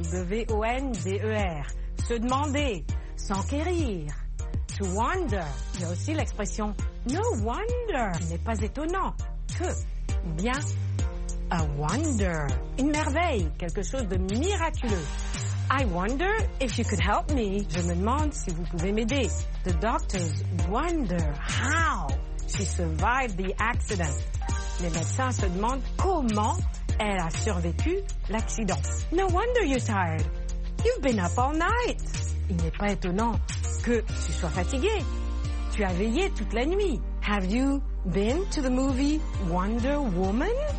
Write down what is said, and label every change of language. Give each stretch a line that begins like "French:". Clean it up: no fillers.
French: W-O-N-D-E-R. Se demander, s'enquérir. To wonder, il y a aussi l'expression
English: no wonder,
French: n'est pas étonnant, que, bien,
English: a wonder,
French: une merveille, quelque chose de miraculeux.
English: I wonder if you could help me,
French: je me demande si vous pouvez m'aider.
English: The doctors wonder how she survived the accident.
French: Les médecins se demandent comment elle a survécu l'accident.
English: No wonder you're tired, you've been up all night.
French: Il n'est pas étonnant que tu sois fatigué. Tu as veillé toute la nuit.
English: Have you been to the movie Wonder Woman?